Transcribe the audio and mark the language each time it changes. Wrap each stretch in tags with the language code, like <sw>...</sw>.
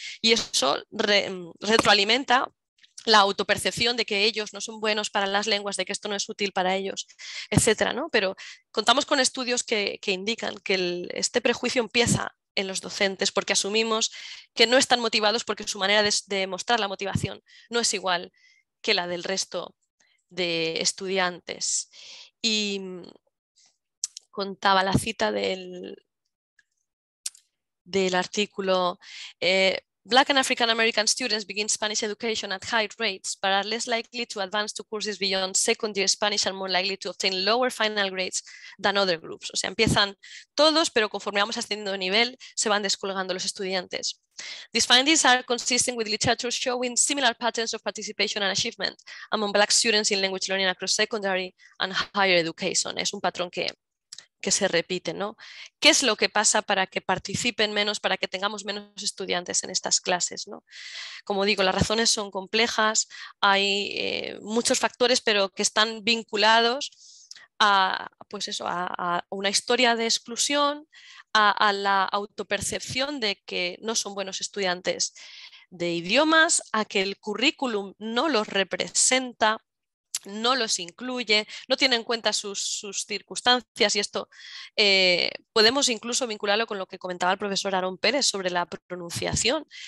<es>Y eso retroalimenta la autopercepción de que ellos no son buenos para las lenguas, de que esto no es útil para ellos, etc., ¿no? Pero contamos con estudios que indican que este prejuicio empieza en los docentes porque asumimos que no están motivados porque su manera de mostrar la motivación no es igual que la del resto de estudiantes.</es> <en>Y contaba la cita del artículo: Black and African American students begin Spanish education at high rates, but are less likely to advance to courses beyond second year Spanish and more likely to obtain lower final grades than other groups.</en> <es>O sea, empiezan todos, pero conforme vamos ascendiendo de nivel, se van descolgando los estudiantes.</es> <en>These findings are consistent with literature showing similar patterns of participation and achievement among Black students in language learning across secondary and higher education.</en> <es>Es un patrón que se repite, ¿no? ¿Qué es lo que pasa para que participen menos, para que tengamos menos estudiantes en estas clases, ¿no? Como digo, las razones son complejas, hay muchos factores, pero que están vinculados a una historia de exclusión, a la autopercepción de que no son buenos estudiantes de idiomas, a que el currículum no los representa, no los incluye, no tiene en cuenta sus circunstancias. Y esto podemos incluso vincularlo con lo que comentaba el profesor Aarón Pérez sobre la pronunciación.</es>